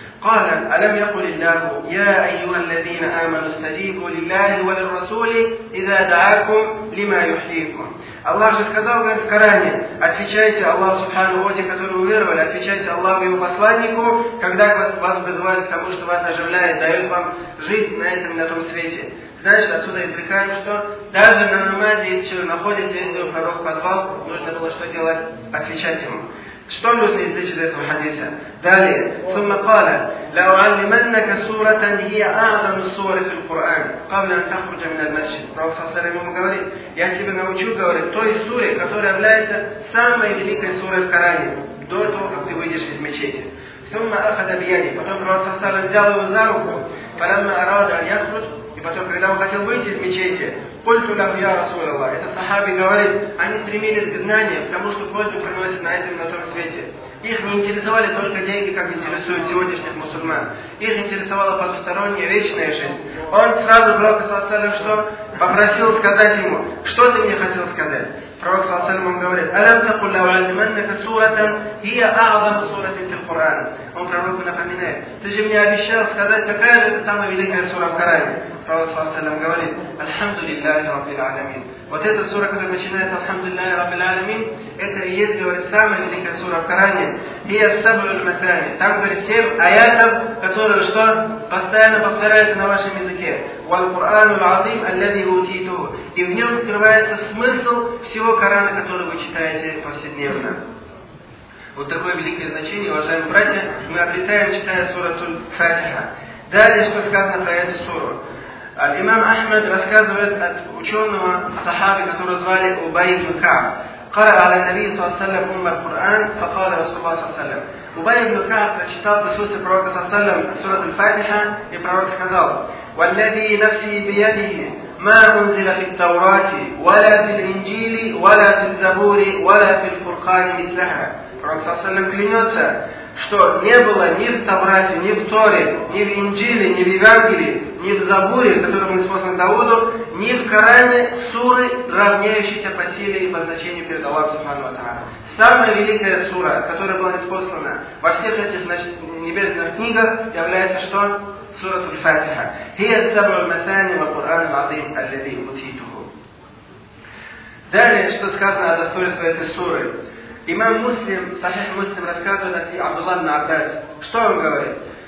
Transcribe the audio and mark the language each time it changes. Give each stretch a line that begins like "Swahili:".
Arabic: قال ألم يقل الله يا أيها الذين آمنوا استجيبوا لله وللرسول إذا دعاكم لما يحييكم
Russian: الله же сказал в Коране отвечайте Аллах Субхану Оте, который уверовали, отвечайте Аллаху и его посланнику, когда вас вызывают к тому, что вас оживляет, дает вам жизнь на этом, на том свете. Значит, отсюда извлекаем, что даже на намазе, если человек находится, если его пророк позвал, нужно было что делать? Отвечать ему. Что нужно извлечь из этого хадиса? Далее.
Arabic: ثم قال لأعلمنك سورة هي أعظم السور في القرآن قبل أن تخرج من المسجد.
Russian: Пророк саллаллаху алейхи ва саллям говорит, я тебе научу, говорит, той суре, которая является самой великой сурой в Коране, до того, как ты выйдешь из мечети.
Arabic: ثم أخذ بيدي.
Russian: Потом пророк саллаллаху алейхи ва саллям взял его за руку,
Arabic: فلما أراد أن يخرج,
Russian: и потом, когда он хотел выйти из мечети,
Arabic: قلت له يا رسول الله.
Russian: Это сахаби говорит, они стремились к знаниям, потому что пользу приносят на этом, на том свете. Их не интересовали только деньги, как интересуют сегодняшних мусульман. Их интересовала потусторонняя вечная жизнь. Он сразу пророк саллаллаху алейхи ва саллям что? Попросил сказать ему, что ты мне хотел сказать? Пророк саллаллаху алейхи ва саллям говорит,
Arabic: قل له علمنك سورة هي أعظم سورة في القرآن.
Russian: Он пророку напоминает, ты же мне обещал сказать, какая же это самая великая сура в Коране. Пророк саллаллаху алейхи ва саллям говорит,
Arabic: الحمد لله رب العالمين.
Russian: Вот эта сура, которая начинается
Arabic: الحمد لله رب العالمين,
Russian: это и есть, говорит, самая великая сура в Коране.
Arabic: هي السبع المثاني.
Russian: Там, говорит, 7 аятов, которые что? Постоянно повторяются на вашем языке.
Arabic: والقرآن العظيم الذي أوتيته.
Russian: И в нем скрывается смысл всего Корана, который вы читаете повседневно. Вот такое великое значение, уважаемые братья, мы обретаем, читая сурату Фатиха. Далее, что сказано про эту суру. Имам Ахмад рассказывает от ученого сахаби, которого звали Убай ибн Каб.
Arabic: قرأ على النبي صلى الله عليه وسلم أم القرآن فقال رسول الله صلى الله عليه وسلم أبي بن كعب
Russian: прочитал
Arabic: بسورة пророка صلى الله عليه وسلم سورة الفاتحة
Russian: и пророк сказал
Arabic: والذي نفسي بيده ما أنزل في التوراة ولا في الإنجيل ولا في الزبور ولا في الفرقان مثلها пророк صلى الله عليه وسلم
Russian: клянется что не было ни в Таврате, ни в Торе, ни в Инджиле, ни в Евангелии, ни в Забуре, который был послан Дауду, ни в Коране суры, равняющиеся по силе и по значению перед Аллахом Субхану ва Тааля. Самая великая сура, которая была послана во всех этих небесных книгах, является что? Сура Туль-Фатиха.
Arabic: «Хия сабру масани ва Кур'ану азим аль-лади утитуху».
Russian: Далее, что сказано о достоинстве этой суры. Имам Муслим, Сахих Муслим рассказывает о Абдуллах ибн Аббас. Что он говорит?